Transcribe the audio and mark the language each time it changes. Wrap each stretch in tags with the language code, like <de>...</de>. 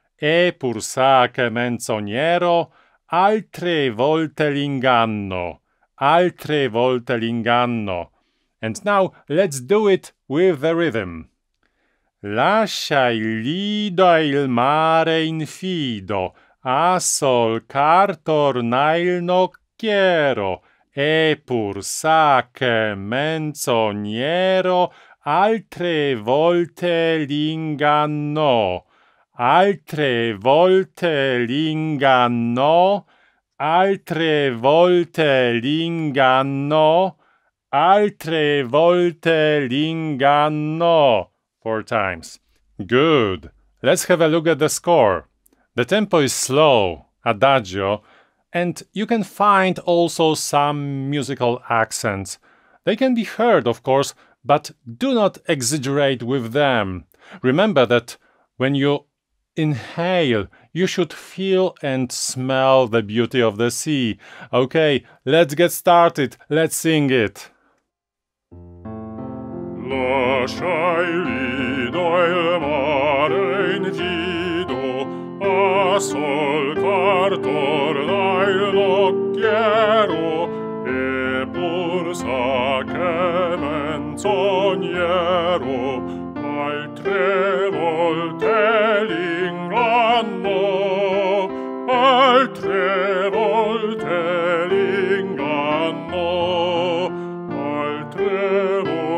<it>E pur sa che menzognero, altre volte l'inganno. Altre volte l'inganno.</it> <en>And now let's do it with the rhythm.</en> <it>Lascia il lido e il mare infido, a solcar torna il nocchiero, e pur sa che menzognero altre volte l'ingannò, altre volte l'ingannò, altre volte l'ingannò, altre volte l'ingannò.</it> <en>4 times. Good. Let's have a look at the score. The tempo is slow, adagio, and you can find also some musical accents. They can be heard, of course, but do not exaggerate with them. Remember that when you inhale, you should feel and smell the beauty of the sea. Okay, let's get started. Let's sing it.</en> <it>Lascia il lido e il mare infido, a solcar torna il nocchiero, e pur sa che menzognero, altre volte l'inganno, altre volte l'inganno, altre</it>